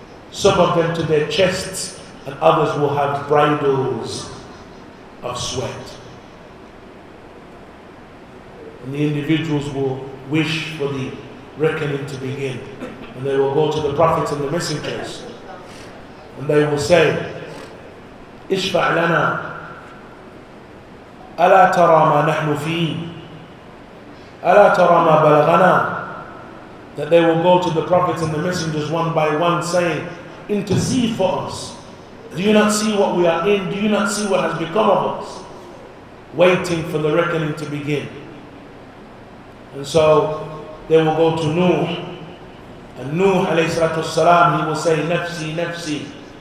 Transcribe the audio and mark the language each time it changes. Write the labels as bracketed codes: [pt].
[en] Some of them to their chests, and others will have bridles of sweat. And the individuals will wish for the reckoning to begin. And they will go to the prophets and the messengers. And they will say, [ar] Ishfa' lana. ألا ترى ما نحن فيه ألا ترى ما بلغنا. [en] That they will go to the prophets and the messengers one by one saying, intercede for us. Do you not see what we are in? Do you not see what has become of us? Waiting for the reckoning to begin. And so they will go to Nuh, and Nuh alayhi salatu wasalam, he will say, [ar] Nafsi, Nafsi.